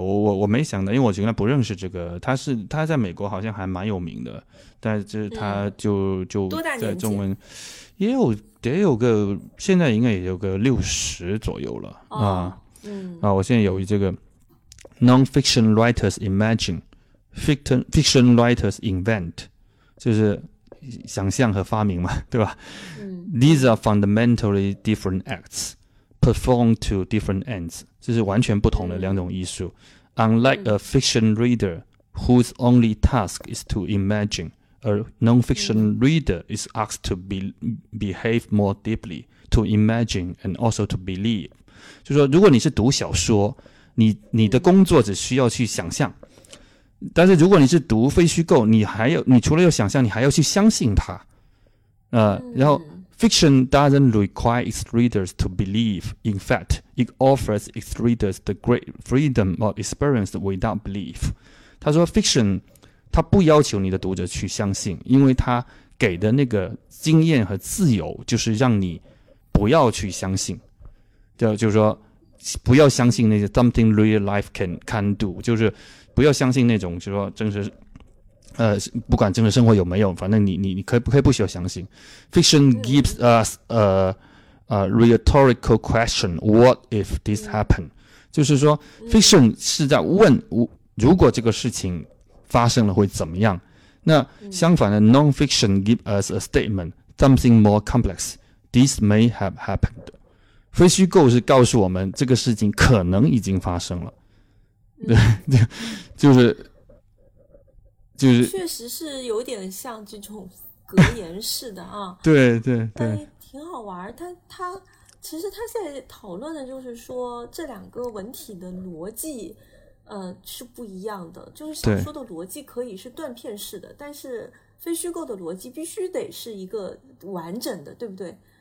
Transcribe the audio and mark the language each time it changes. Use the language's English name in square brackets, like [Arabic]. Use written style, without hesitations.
[Chinese] 我没想到，因为我原来不认识这个，他在美国好像还蛮有名的，但是他就在中文也有得有个，现在应该也有个60左右了。我现在有这个 [English] Non-fiction writers imagine, fiction writers invent, [Chinese] 就是想象和发明嘛，对吧？ [English] These are fundamentally different acts, performed to different ends, [Chinese] 这是完全不同的两种艺术。 [English] Unlike a fiction reader whose only task is to imagine, a non-fiction reader is asked to behave more deeply, to imagine and also to believe. [Chinese] 就是说如果你是读小说，你的工作只需要去想象，但是如果你是读非虚构，你还要，你除了要想象，你还要去相信它。然后 [English] fiction doesn't require its readers to believe. In fact, it offers its readers the great freedom of experience without belief. [Chinese] 他说 fiction 他不要求你的读者去相信，因为他给的那个经验和自由就是让你不要去相信。就是说不要相信那些 [English] something real life can do, [Chinese] 就是不要相信那种，就是说真实，不管真实生活有没有，反正你可以不需要相信。 [English] Fiction gives us a rhetorical question, what if this happened? [Chinese] 就是说 ,fiction 是在问如果这个事情发生了会怎么样。那相反的 [English] ,non-fiction gives us a statement, something more complex, this may have happened. [Chinese] 非虚构是告诉我们这个事情可能已经发生了，对，就是确实是有点像这种格言似的啊。对对对，挺好玩。他其实他现在讨论的就是说这两个文体的逻辑是不一样的，就是小说的逻辑可以是断片式的，但是非虚构的逻辑必须得是一个完整的，对不对？